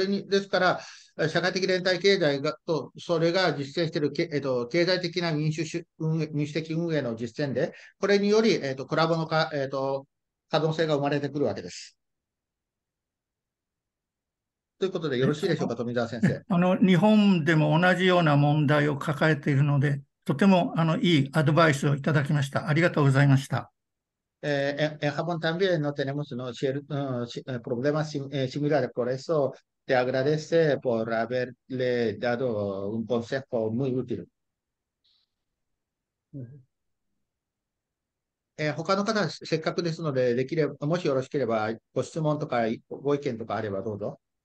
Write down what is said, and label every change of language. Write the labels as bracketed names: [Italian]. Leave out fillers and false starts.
[Japanese] これに、ですから、社会的連帯経済と、それが実践している、経済的な民主的運営の実践で、これにより、コラボのか、可能性が生まれてくるわけです。ということで、よろしいでしょうか、富澤先生。日本でも同じような問題を抱えているので、とてもいいアドバイスをいただきました。ありがとうございました。 [Spanish] En Japón también no tenemos, ¿no? problemas similares, por eso. Te agradece por haberle dado un consejo muy útil. [Japanese] 他の方、せっかくですので、できれば、もしよろしければ、ご質問とかご意見とかあればどうぞ。